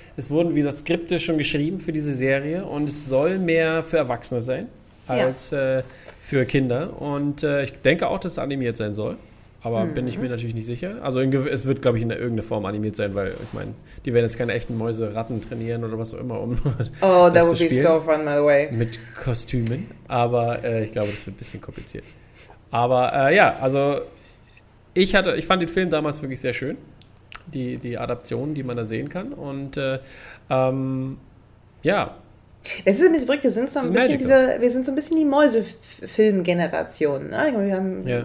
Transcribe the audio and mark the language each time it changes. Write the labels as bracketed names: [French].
[German] Es wurden wieder Skripte schon geschrieben für diese Serie und es soll mehr für Erwachsene sein als für Kinder. Und ich denke auch, dass es animiert sein soll, aber bin ich mir natürlich nicht sicher. Also es wird, glaube ich, in irgendeiner Form animiert sein, weil ich meine, die werden jetzt keine echten Mäuse, Ratten trainieren oder was auch immer, um das zu spielen. [English] Oh, that would be so fun, by the way. [German] Mit Kostümen, aber ich glaube, das wird ein bisschen kompliziert. Aber ja, also ich fand den Film damals wirklich sehr schön, die Adaption, die man da sehen kann. Und Es ist ein bisschen verrückt, wir sind so ein bisschen die Mäusefilm-Generation. Ne?